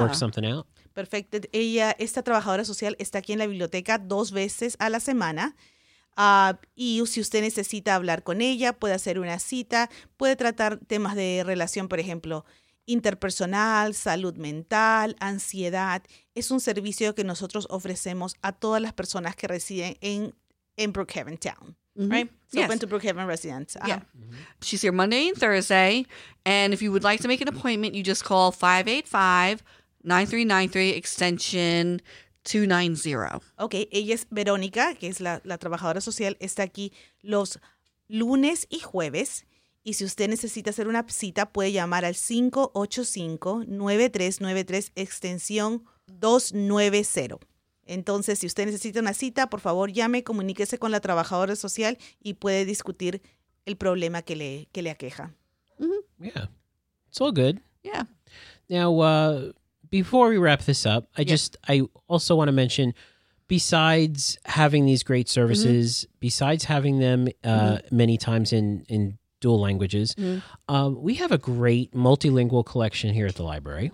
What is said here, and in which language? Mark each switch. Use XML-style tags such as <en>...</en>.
<en>Work something out.</en> <es>Perfecto. Ella, esta trabajadora social, está aquí en la biblioteca 2 veces a la semana. Y si usted necesita hablar con ella, puede hacer una cita, puede tratar temas de relación, por ejemplo, interpersonal, salud mental, ansiedad. Es un servicio que nosotros ofrecemos a todas las personas que residen en Brookhaven Town.</es> <en>Mm-hmm. Right? So yes. Open to Brookhaven residents. Yeah. She's here Monday and Thursday. And if you would like to make an appointment, you just call 585-9393 extension 290. Okay.</en> <es>Ella es Verónica, que es la trabajadora social. Está aquí los lunes y jueves. Y si usted necesita hacer una cita, puede llamar al 585-9393 extensión 290. Entonces, si usted necesita una cita, por favor, llame, comuníquese con la trabajadora social y puede discutir el problema que le aqueja.</es> <en>Mm-hmm. Yeah. It's all good. Yeah. Now, before we wrap this up, I also want to mention, besides having these great services, mm-hmm. besides having them many times in dual languages, mm-hmm. We have a great multilingual collection here at the library.</en>